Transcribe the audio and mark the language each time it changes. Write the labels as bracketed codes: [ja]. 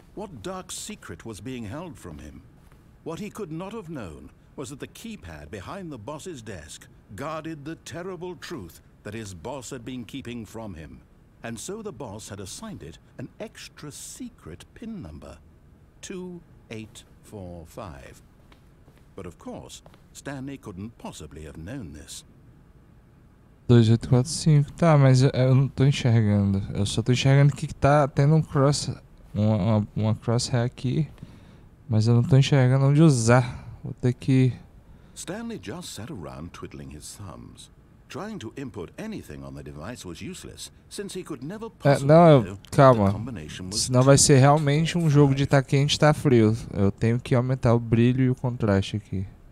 [en] What dark secret was being held from him? What he could not have known was that the keypad behind the boss's desk guarded the terrible truth that his boss had been keeping from him. And so the boss had assigned it an extra secret PIN number, 2845. But of course, Stanley couldn't possibly have known this. [pt] 2845, tá, mas eu não tô enxergando. Eu só tô enxergando que tá tendo um cross. Uma crosshair aqui, mas eu não tô enxergando onde usar. Vou ter que. [en] Stanley just sat around twiddling his thumbs. Trying to input anything on the device was useless, since he could never possibly. [pt] Calma. Senão vai ser realmente um jogo de tá quente e tá frio. Eu tenho que aumentar o brilho e o contraste aqui.